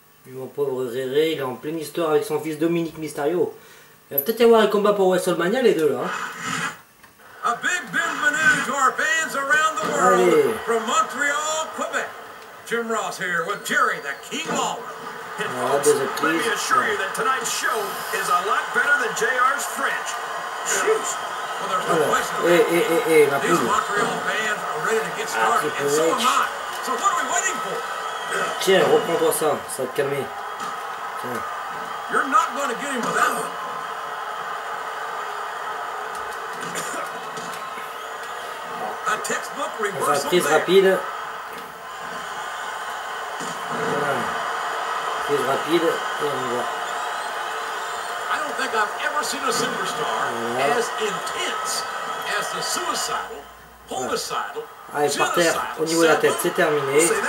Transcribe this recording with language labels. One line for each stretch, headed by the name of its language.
French: Mon pauvre Réré, il est en pleine histoire avec son fils Dominique Mysterio. Il va peut-être y avoir un combat pour WrestleMania les deux là.
English: A big bienvenue to our fans around the world. Allez. From Montreal, Quebec. Jim Ross here with Jerry the King Lawler. And folks, let me assure you that tonight's show is a lot better than JR's French. Shoot. Well, there's no question. These Montreal fans are ready to get started, and so am I. So what are we waiting for?
French: Tiens, reprends-toi ça, ça te calme.
English: Tiens. You're not going to get him without him.
French: On va prise rapide. Voilà. Prise rapide et on y va.
English: I don't think I've ever seen a superstar as intense as the suicidal, homicidal.
French: Allez, par terre, au niveau de la tête, c'est terminé.